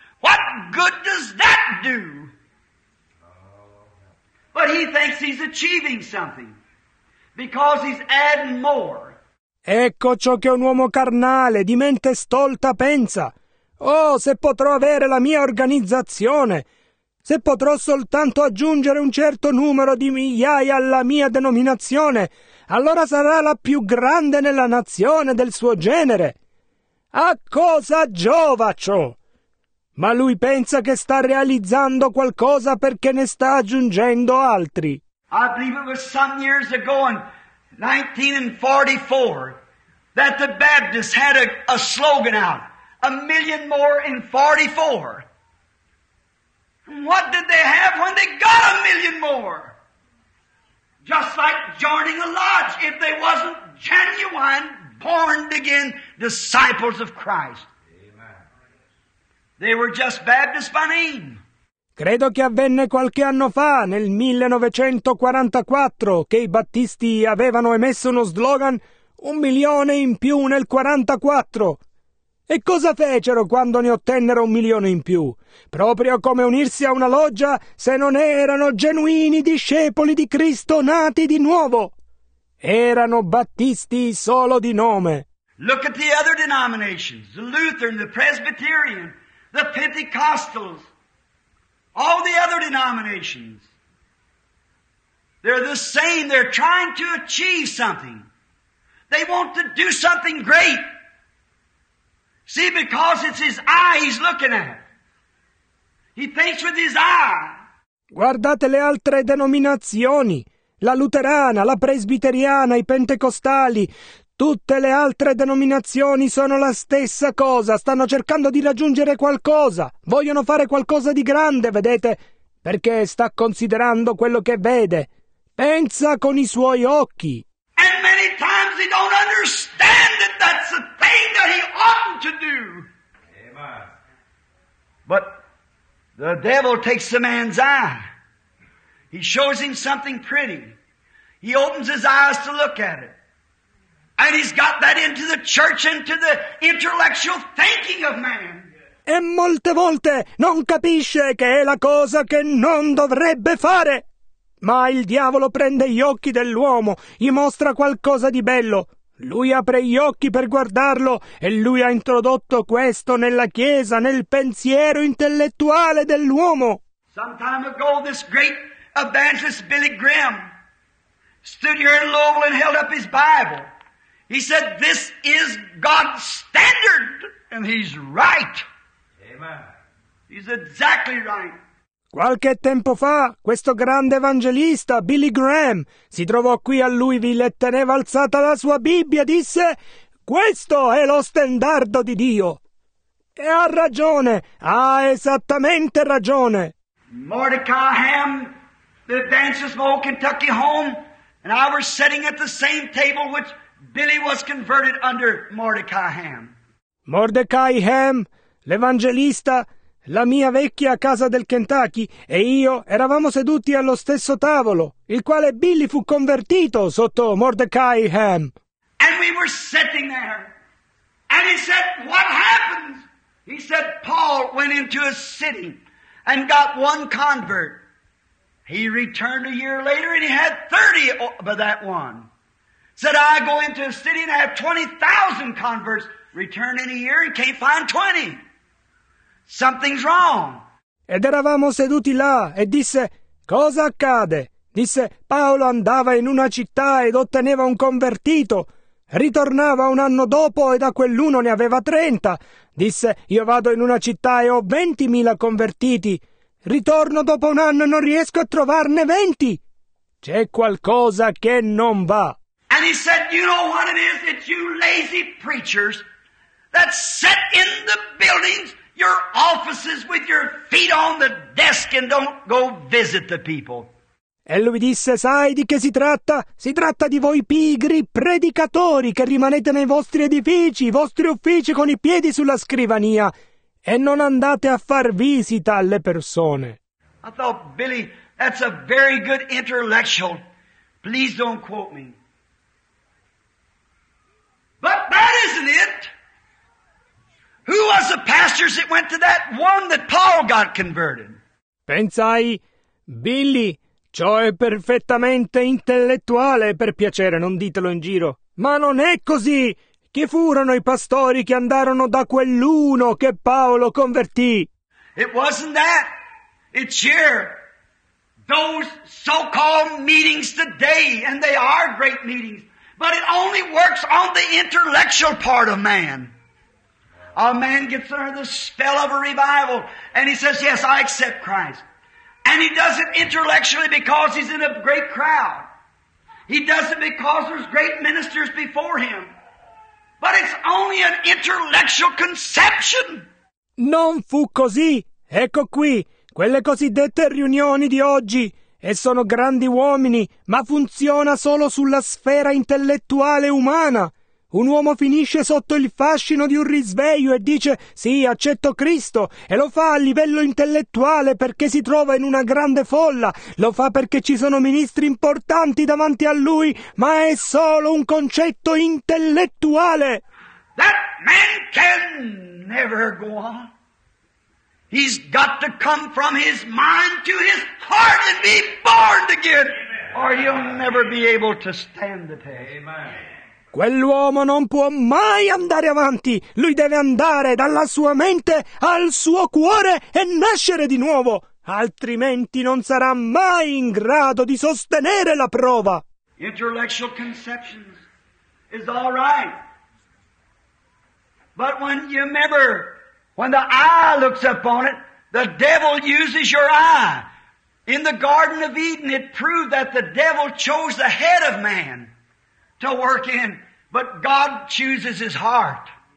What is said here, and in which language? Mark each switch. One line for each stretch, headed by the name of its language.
English: What good does that do? But he thinks he's achieving something because he's adding more.
Italian: Ecco ciò che un uomo carnale di mente stolta pensa. Oh, se potrò avere la mia organizzazione, se potrò soltanto aggiungere un certo numero di migliaia alla mia denominazione, allora sarà la più grande nella nazione del suo genere. A cosa giova ciò? Ma lui pensa che sta realizzando qualcosa perché ne sta aggiungendo altri.
English: I believe it was some years ago in 1944 that the Baptists had a slogan out, a million more in 44. What did they have when they got a million more? Just like joining a lodge, if they wasn't genuine, born again disciples of Christ. Amen. They were just Baptists by name.
Italian: Credo che avvenne qualche anno fa, nel 1944, che i Battisti avevano emesso uno slogan, un milione in più nel 44. E cosa fecero quando ne ottennero un milione in più? Proprio come unirsi a una loggia se non erano genuini discepoli di Cristo nati di nuovo. Erano battisti solo di nome.
English: Look at the other denominations, the Lutheran, the Presbyterian, the Pentecostals, all the other denominations. They're the same, they're trying to achieve something. They want to do something great. See, because it's his eye he's looking at. He thinks with his eye.
Italian: Guardate le altre denominazioni. La luterana, la presbiteriana, i pentecostali. Tutte le altre denominazioni sono la stessa cosa. Stanno cercando di raggiungere qualcosa. Vogliono fare qualcosa di grande, vedete? Perché sta considerando quello che vede. Pensa con i suoi occhi.
English: And many times he don't understand that that's the thing that he oughtn't to do. Amen. But the devil takes the man's eye. He shows him something pretty. He opens his eyes to look at it. And he's got that into the church, into the intellectual thinking of man.
Italian: E molte volte non capisce che è la cosa che non dovrebbe fare. Ma il diavolo prende gli occhi dell'uomo, gli mostra qualcosa di bello. Lui apre gli occhi per guardarlo e lui ha introdotto questo nella chiesa, nel pensiero intellettuale dell'uomo.
English: Some time ago this great evangelist Billy Graham stood here in Louisville and held up his Bible. He said, this is God's standard, and he's right. Amen. He's exactly right.
Italian: Qualche tempo fa, questo grande evangelista, Billy Graham, si trovò qui a Louisville e teneva alzata la sua Bibbia e disse, questo è lo standardo di Dio. E ha ragione, ha esattamente ragione.
English: Mordecai Ham, the evangelist of Old Kentucky home, and I were sitting at the same table which Billy was converted under Mordecai Ham.
Italian: Mordecai Ham, l'evangelista, la mia vecchia casa del Kentucky, e io eravamo seduti allo stesso tavolo, il quale Billy fu convertito sotto Mordecai Ham.
English: And we were sitting there. And he said, what happened? He said, Paul went into a city and got one convert. He returned a year later and he had 30 of that one. Said, I go into a city and I have 20,000 converts. Return in a year and can't find 20. Something's wrong.
Italian: Ed eravamo seduti là e disse, cosa accade? Disse, Paolo andava in una città ed otteneva un convertito. Ritornava un anno dopo e da quell'uno ne aveva 30. Disse, io vado in una città e ho 20,000 convertiti. Ritorno dopo un anno e non riesco a trovarne 20. C'è qualcosa che non va.
English: And he said, you know what it is? It's you lazy preachers that sit in the buildings, your offices with your feet on the desk and don't go visit the people.
Italian: E lui disse, sai di che si tratta? Si tratta di voi pigri predicatori che rimanete nei vostri edifici, i vostri uffici con i piedi sulla scrivania e non andate a far visita alle persone.
English: I thought, Billy, that's a very good intellectual. Please don't quote me. But that isn't it. Who was the pastors that went to that one that Paul got converted?
Italian: Pensai, Billy, ciò è perfettamente intellettuale, per piacere, non ditelo in giro. Ma non è così. Chi furono i pastori che andarono da quell'uno che Paolo convertì?
English: It wasn't that. It's here. Those so-called meetings today, and they are great meetings, but it only works on the intellectual part of man. A man gets under the spell of a revival and he says, yes, I accept Christ. And he does it intellectually because he's in a great crowd. He does it because there's great ministers before him. But it's only an intellectual conception.
Italian: Non fu così. Ecco qui, quelle cosiddette riunioni di oggi. E sono grandi uomini, ma funziona solo sulla sfera intellettuale umana. Un uomo finisce sotto il fascino di un risveglio e dice, sì, accetto Cristo, e lo fa a livello intellettuale perché si trova in una grande folla, lo fa perché ci sono ministri importanti davanti a lui, ma è solo un concetto intellettuale.
English: that man can never go on. He's got to come from his mind to his heart and be born again. Or you'll never be able to stand the test. Amen.
Italian: Quell'uomo non può mai andare avanti. Lui deve andare dalla sua mente al suo cuore e nascere di nuovo. Altrimenti non sarà mai in grado di sostenere la prova.
English: Intellectual conceptions is all right. But when you remember, when the eye looks upon it, the devil uses your eye. In the Garden of Eden, it proved that the devil chose the head of man to work in, but God chooses his heart.